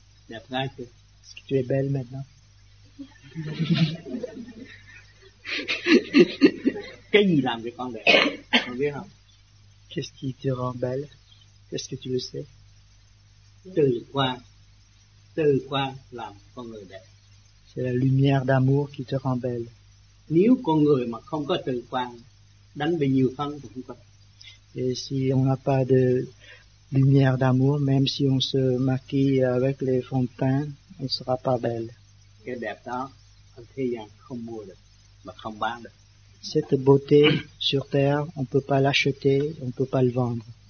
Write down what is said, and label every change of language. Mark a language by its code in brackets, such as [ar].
[fr] Est-ce que tu es belle maintenant? [vi] Cái gì làm cho con đẹp? Con biết không? [fr] Qu'est-ce qui te rend belle? Qu'est-ce que tu le sais? [vi] Từ quang. Từ quang làm con người đẹp. [fr] C'est la lumière d'amour qui te rend belle. [vi] Nếu con người mà không có từ quang, đánh bị nhiều phân cũng không có. [fr] Et si on n'a pas de lumière d'amour, même si on se maquille avec les fonds de teint, on ne sera pas belle. [vi] Cái đẹp đó, anh thấy rằng không mua được, mà không bán được. [fr] Cette beauté sur terre, on ne peut pas l'acheter, on ne peut pas le vendre.